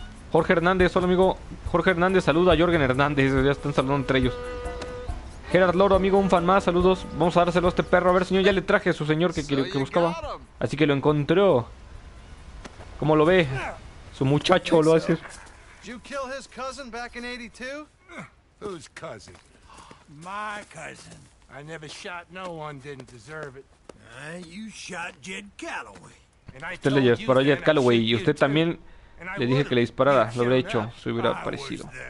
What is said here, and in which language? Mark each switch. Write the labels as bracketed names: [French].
[Spanish] Jorge Hernández, hola, amigo. Jorge Hernández, saluda a Jorgen Hernández. Ya están saludando entre ellos. Gerard Loro, amigo, un fan más, saludos. Vamos a dárselo a este perro, a ver, señor, ya le traje a su señor que buscaba. Así que lo encontró. ¿Cómo lo ve? Su muchacho, lo va a decir. [English] You kill his cousin back in 82? Whose cousin? My cousin. I never shot no one didn't deserve it. You shot Jed Calloway. [Spanish] Usted le disparó a Jed Calloway y usted también le dije que le disparara. Lo habría hecho, se hubiera aparecido.